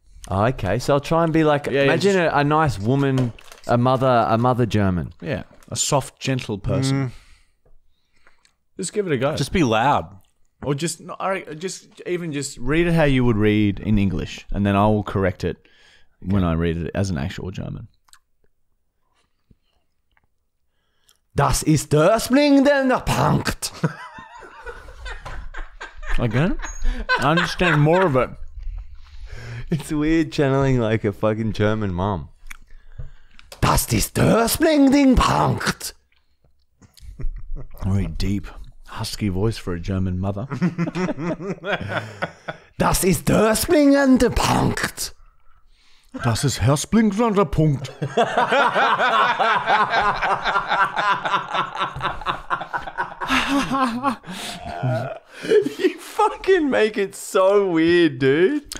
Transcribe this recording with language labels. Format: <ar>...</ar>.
<en>Okay, so I'll try and be like, yeah, imagine just, a nice woman, a mother German. Yeah, a soft, gentle person. Mm. Just give it a go. Just be loud. Or just read it how you would read in English, and then I will correct it when I read it as an actual German.</en> <de>Das ist der springenden Punkt.</de> <en>Again? I understand more of it. It's weird channeling like a fucking German mom.</en> <de>Das ist der springenden Punkt.</de> <en>Very deep, husky voice for a German mother.</en> <de>Das ist der springenden Punkt. Das ist Herr Splinkflander Punkt.</de> <en>You fucking make it so weird, dude.</en>